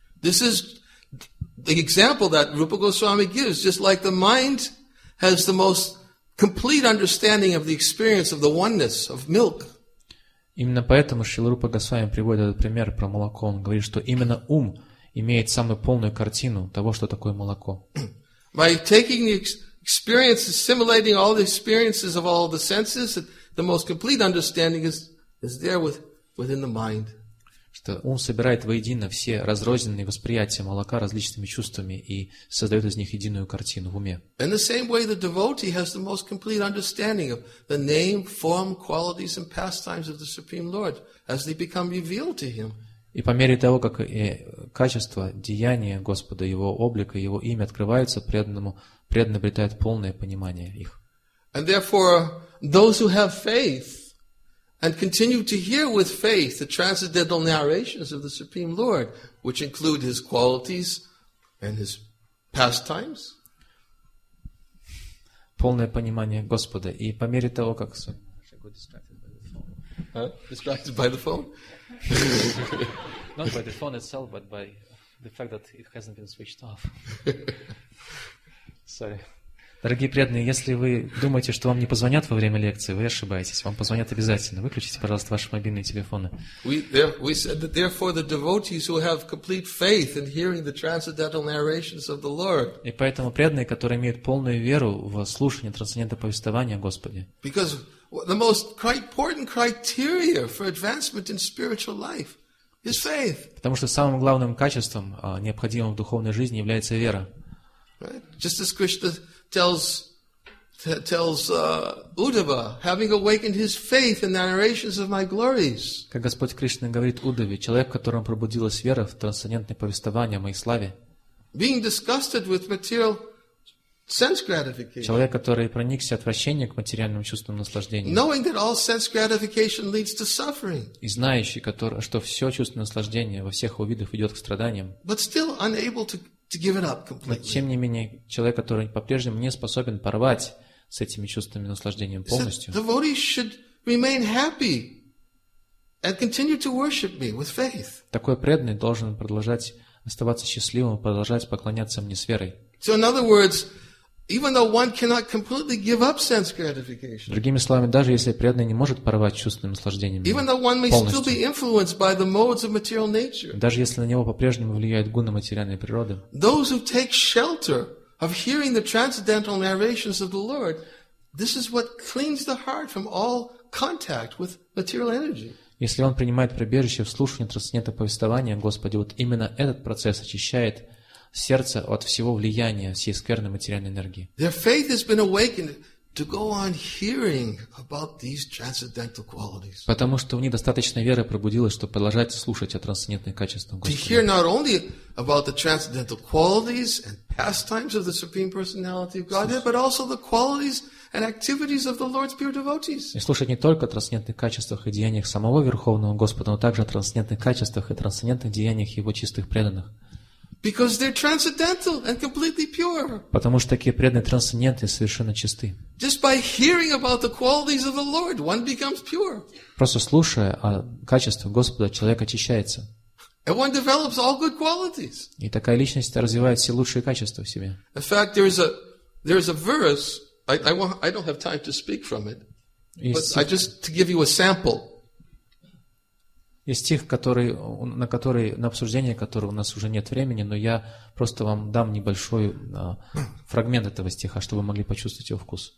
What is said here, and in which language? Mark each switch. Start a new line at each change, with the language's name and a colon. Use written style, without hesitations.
English: This is the example that Rupa Goswami gives, just like the mind has the most complete understanding of the experience of the oneness of milk.
Russian: Именно поэтому Шрила Рупа Госвами приводит этот пример про молоко. Он говорит, что именно ум имеет самую полную картину того, что такое молоко.
English: By taking the experience, assimilating all the experiences of all the senses, the most complete understanding is there within the mind.
Russian: Что ум собирает воедино все разрозненные восприятия молока различными чувствами и создает из них единую картину в уме.
English: In the same way, the devotee has the most complete understanding of the name, form, qualities, and pastimes of the Supreme Lord as they become revealed to him.
Russian: И по мере того, как качество, деяния Господа, Его облика, Его имя открываются преданному, преданный обретает полное понимание их.
English: And therefore, those who have faith and continue to hear with faith the transcendental narrations of the Supreme Lord, which include His qualities and His pastimes.
Russian: Полное понимание Господа. И по мере того, как...
English: Distracted by the phone? Not by the phone itself, but by the fact that it hasn't been switched off. Sorry.
Russian: Дорогие преданные, если вы думаете, что вам не позвонят во время лекции, вы ошибаетесь. Вам позвонят обязательно. Выключите, пожалуйста, ваши мобильные телефоны.
English: We said that therefore the devotees who have complete faith in hearing the transcendental narrations of the Lord.
Russian: И поэтому преданные, которые имеют полную веру в слушание трансцендентного повествования о Господе.
English: Because the most important criteria for advancement in spiritual life is faith.
Russian: Потому что самым главным качеством, необходимым в духовной жизни, является вера.
English: Right? Just as Krishna tells Uddhava, having awakened his faith in the narrations of my glories.
Russian: Как Господь Кришна говорит Уддхаве, человек, в котором пробудилась вера в трансцендентное повествование о моей славе.
English: Being disgusted with material sense gratification.
Russian: Человек, который проникся отвращением к материальным чувствам наслаждения.
English: Knowing that all sense gratification leads to suffering.
Russian: И знающий, что все чувство наслаждения во всех его видах ведет к страданиям.
English: But still unable to give it up completely.
Russian: Но тем не менее, человек, который по-прежнему не способен порвать с этими чувствами наслаждения полностью.
English: The devotee should remain happy and continue to worship me with faith.
Russian: Такой преданный должен продолжать оставаться счастливым и продолжать поклоняться мне с верой.
English: So in other words, Even though one cannot completely give up sense gratification.
Russian: Другими словами, даже если преданный не может порвать чувственным наслаждением.
English: Even though one may still be influenced by the modes of material nature.
Russian: Даже если на него по-прежнему влияют гуны материальной природы.
English: Those who take shelter of hearing the transcendental narrations of the Lord, this is what cleans the heart from all contact with material energy.
Russian: Если он принимает прибежище в слушании трансцендентного повествования Господи, вот именно этот процесс очищает сердце от всего влияния всей скверной материальной энергии.
English: Their faith has been awakened to go on hearing about these transcendental qualities.
Russian: Потому что у них достаточно веры пробудилось, чтобы продолжать слушать о трансцендентных качествах Господа.
English: To hear not only about the transcendental qualities and pastimes of the Supreme Personality of Godhead, but also the qualities and activities of the Lord's pure devotees.
Russian: И слушать не только о трансцендентных качествах и деяниях самого Верховного Господа, но также о трансцендентных качествах и трансцендентных деяниях Его чистых преданных.
English: Because they're transcendental and completely pure.
Russian: Потому что такие преданные трансцендентны и совершенно чисты.
English: Just by hearing about the qualities of the Lord, one becomes pure.
Russian: Просто слушая о качествах Господа, человек очищается.
English: And one develops all good qualities.
Russian: И такая личность развивает все лучшие качества в себе.
English: In fact, there is a verse. I don't have time to speak from it, but I just to give you a sample.
Russian: Есть стих, на обсуждение которого у нас уже нет времени, но я просто вам дам небольшой фрагмент этого стиха, чтобы вы могли почувствовать его вкус.